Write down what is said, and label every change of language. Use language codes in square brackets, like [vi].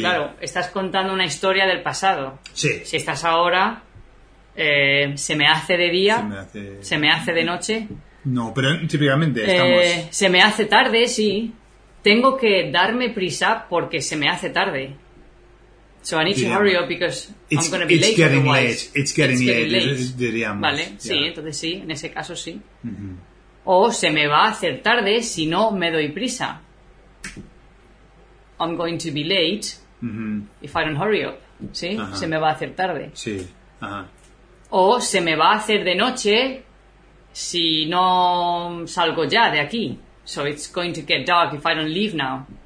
[es] Claro, estás contando una historia del pasado. Sí. Si estás ahora, se me hace de día, se me hace de noche. No, pero típicamente estamos... Se me hace tarde, sí. Tengo que darme prisa porque se me hace tarde. [en] So I need to hurry up because I'm going to be late. It's getting late, diríamos. [es] Vale, [en] yeah. [es] Sí, entonces sí, en ese caso sí. Uh-huh. O se me va a hacer tarde si no me doy prisa. [en] I'm going to be late, uh-huh. If I don't hurry up. ¿Sí? Uh-huh. [es] Se me va a hacer tarde. Sí. Uh-huh. O se me va a hacer de noche si no salgo ya de aquí. [en] So it's going to get dark if I don't leave now.